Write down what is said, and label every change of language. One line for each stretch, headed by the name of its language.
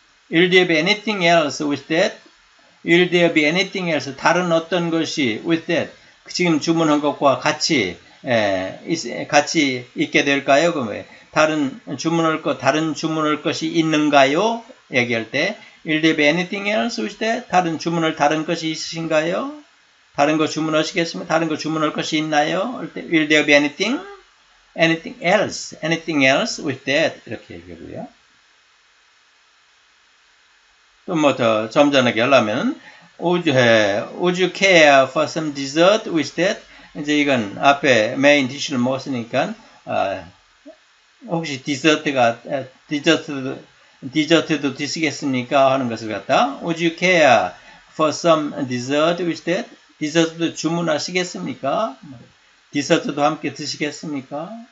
English: Will there be anything else with that? Will there be anything else?
Korean: 다른 어떤 것이
English: with that?
Korean: 지금 주문한 것과 같이 있게 될까요? 그러면 다른 주문할 것이 있는가요? 얘기할 때,
English: Will there be anything else with that?
Korean: 다른 것이 있으신가요? 다른 거 주문하시겠습니까? 다른 거 주문할 것이 있나요?
English: Will there be anything? Anything else with that?
Korean: 이렇게 얘기하고요. 또 뭐 더 점잖게 하려면
English: would you care for some dessert with that?
Korean: 이제 이건 앞에 메인 디쉬를 먹었으니까 혹시 디저트가 디저트 디저트도 드시겠습니까? 하는 것을 갖다
English: Would you care for some dessert with that?
Korean: 디저트도 주문하시겠습니까? 디저트도 함께 드시겠습니까?